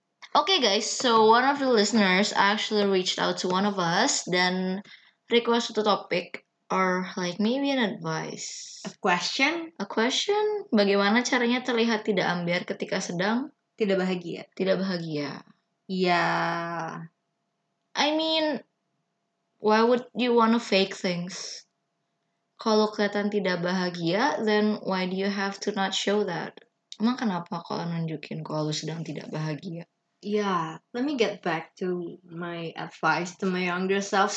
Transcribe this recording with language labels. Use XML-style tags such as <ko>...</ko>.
<en>Okay guys, so one of the listeners actually reached out to one of us dan request the topic or like maybe an advice. A question?</en> <id>Bagaimana caranya terlihat tidak ambiar ketika sedang tidak bahagia? Tidak bahagia.</id> <en>Yeah. I mean, why would you wanna fake things?</en> <id>Kalau kelihatan tidak bahagia,</id> <en>then why do you have to not show that?</en> <id>Emang kenapa kalau nunjukin kalau lu sedang tidak bahagia?</id> <en>Yeah, let me get back to my advice to my younger self.</en>